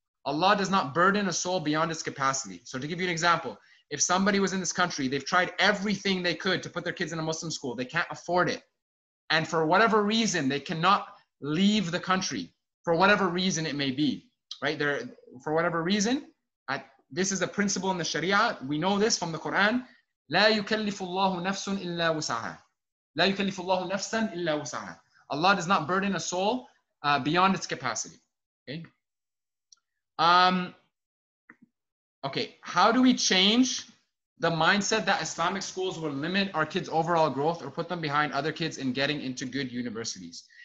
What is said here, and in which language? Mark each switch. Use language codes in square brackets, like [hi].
[en] Allah does not burden a soul beyond its capacity. So to give you an example, if somebody was in this country, they've tried everything they could to put their kids in a Muslim school, they can't afford it. And for whatever reason, they cannot leave the country, for whatever reason it may be. Right there, for whatever reason, this is a principle in the Sharia. We know this from the Quran. [ar] لا يكلف الله نفسا إلا وسعها. لا يكلف الله نفسا إلا وسعها. [en] Allah does not burden a soul beyond its capacity. Okay. Okay. How do we change the mindset that Islamic schools will limit our kids' overall growth or put them behind other kids in getting into good universities?